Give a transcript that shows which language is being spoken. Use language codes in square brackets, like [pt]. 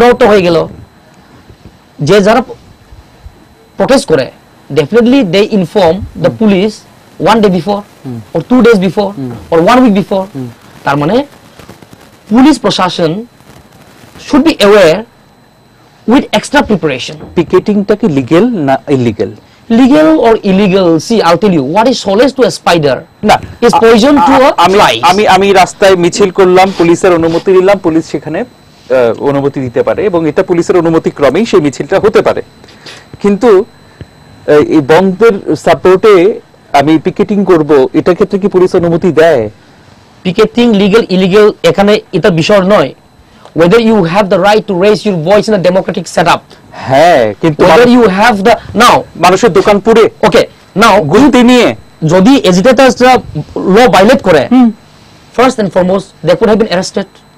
[bn] হয়ে গেল যে যারা প্রোটেস্ট করে [en] definitely they inform the police one day before, or two days before, or one week before, [bn] তার মানে পুলিশ প্রশাসন [en] Should be aware with extra preparation. [bn] পিকেটিংটা কি লিগেল না illegal? [en] Legal or illegal, see, I'll tell you, what is solace to a spider? Nah. It's poison to a fly. [bn] আমি রাস্তায় মিছিল করলাম, পুলিশের অনুমতি নিলাম, পুলিশ সেখানে অনুমতি দিতে পারে এবং এটা পুলিশের অনুমতিক্রমেই সেই মিছিলটা হতে পারে, কিন্তু এই বন্ধের সাপোর্টে আমি পিকেটিং করব, এটা ক্ষেত্রে কি পুলিশ অনুমতি দেয়? পিকেটিং লিগেল ইলিগেল এখানে এটা বিষয় নয়। [en] Whether you have the right to raise your voice in a democratic setup. [bn] হ্যাঁ, কিন্তু [en] whether you have the now [bn] মানুষের দোকান পুড়ে, ওকে, নাও গুলি নিয়ে যদি এজিটেটরসরা ল ভায়োলেট করে, [en] First and foremost they could have been arrested.